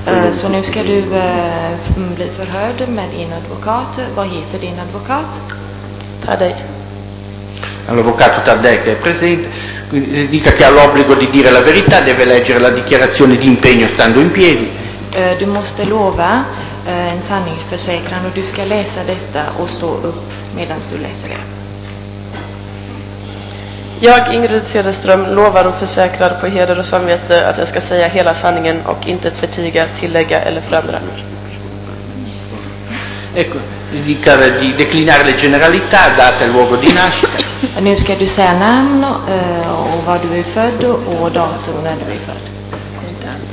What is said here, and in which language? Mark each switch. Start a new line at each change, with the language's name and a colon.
Italian: Sono io che
Swedish: bli förhörd med din advokat. Vad heter din advokat? Taddei.
Italian: L'avvocato Taddei che è presente, quindi le dica che ha l'obbligo di dire la verità, deve leggere la dichiarazione di impegno stando in piedi.
Swedish: Du måste lova en sanningsförsäkran och du ska läsa detta och stå upp medan du läser det. Jag, Ingrid Cederström, lovar och försäkrar på heder och samvete att jag ska säga hela sanningen och inte förtiga, tillägga eller förändra.
Italian: Ecco, di declinare le generalità, data e luogo di nascita.
Swedish: Nu ska du säga namn och var du är född och datum när du är född.